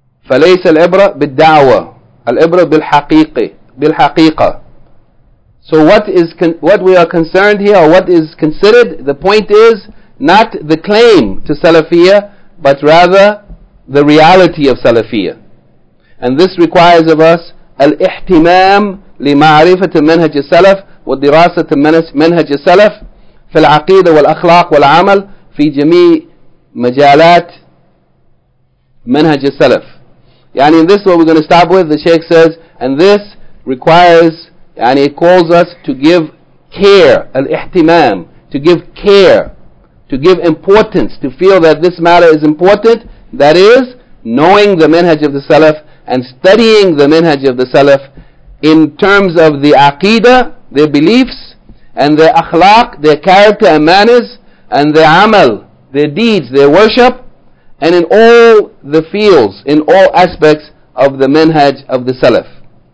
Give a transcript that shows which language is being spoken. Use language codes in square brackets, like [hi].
[ar] فَلَيْسَ الْعِبْرَ بِالدَّعْوَةِ الْعِبْرَ بِالْحَقِيقَةِ [en] So what we are concerned here, or what is considered, the point is not the claim to Salafiyya, but rather the reality of Salafiyya. And this requires of us [ar] الاحتمام لمعرفة منهج السلف ودراسة منهج السلف في العقيدة والأخلاق والعمل في جميع مجالات منهج السلف. [en] Yani in this what we're going to stop with, the Shaykh says, and this requires, and it calls us to give care, al-ihtimam, to give care, to give importance, to feel that this matter is important, that is, knowing the manhaj of the Salaf and studying the manhaj of the Salaf in terms of the aqidah, their beliefs, and their akhlaq, their character and manners, and their amal, their deeds, their worship, and in all the fields, in all aspects of the manhaj of the Salaf.